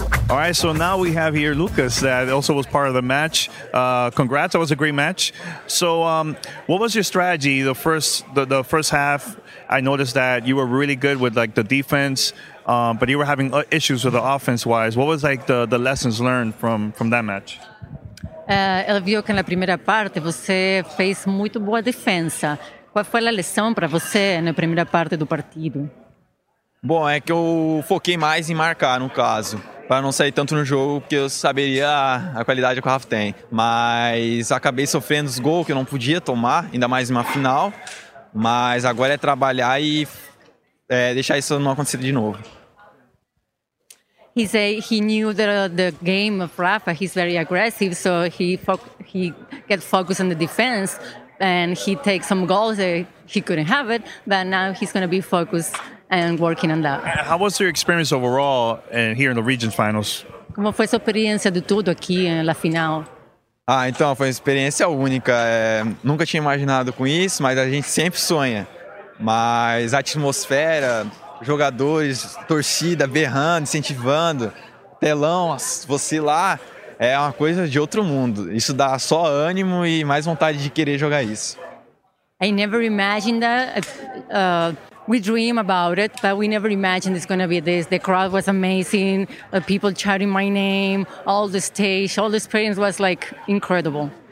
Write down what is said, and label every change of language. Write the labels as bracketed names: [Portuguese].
[English] All right, so now we have here Lucas that also was part of the match. Congrats, that was a great match. So what was your strategy the first half? I noticed that you were really good with like the defense, but you were having issues with the offense-wise. What was like the lessons learned from that match? [Portuguese] Ele viu que na primeira parte você fez muito boa defesa. Qual foi a lição para você na primeira parte do partido? Bom, é que eu foquei mais em marcar, no caso, para não sair tanto no jogo, porque eu saberia a qualidade que o Rafa tem. Mas acabei sofrendo os gols que eu não podia tomar, ainda mais em uma final. Mas agora é trabalhar e deixar isso não acontecer de novo. [English] He said he knew the game of Rafa, he's very aggressive, so he get focused on the defense. And he takes some goals that he couldn't have it, but now he's going to be focused and working on that. How was your experience overall and here in the region finals? [Portuguese] Como foi sua experiência de tudo aqui na final? Ah, então foi uma experiência única. Nunca tinha imaginado com isso, mas a gente sempre sonha. Mas a atmosfera, jogadores, torcida berrando, incentivando, telão, você lá. É uma coisa de outro mundo. Isso dá só ânimo e mais vontade de querer jogar isso. [English] I never imagined that. We dream about it, but we never imagined it's going to be this. The crowd was amazing. People chanting my name. All the stage, all the experience was like incredible.